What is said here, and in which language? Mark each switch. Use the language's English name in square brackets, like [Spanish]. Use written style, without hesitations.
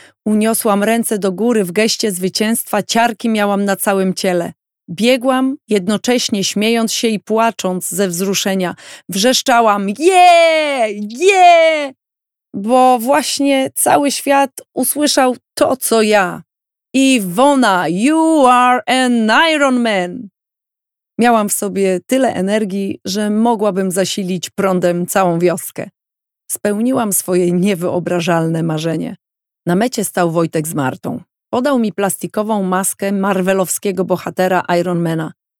[Polish] Uniosłam ręce do góry w geście zwycięstwa, ciarki miałam na całym ciele. Biegłam, jednocześnie śmiejąc się i płacząc ze wzruszenia. Wrzeszczałam: Yeah! Bo właśnie cały świat usłyszał to, co ja. [English] Iwona, you are an Ironman! [Polish] Miałam w sobie tyle energii, że mogłabym zasilić prądem całą wioskę. Spełniłam swoje niewyobrażalne marzenie. Na mecie stał Wojtek z Martą. Podał mi plastikową maskę marvelowskiego bohatera Ironmana.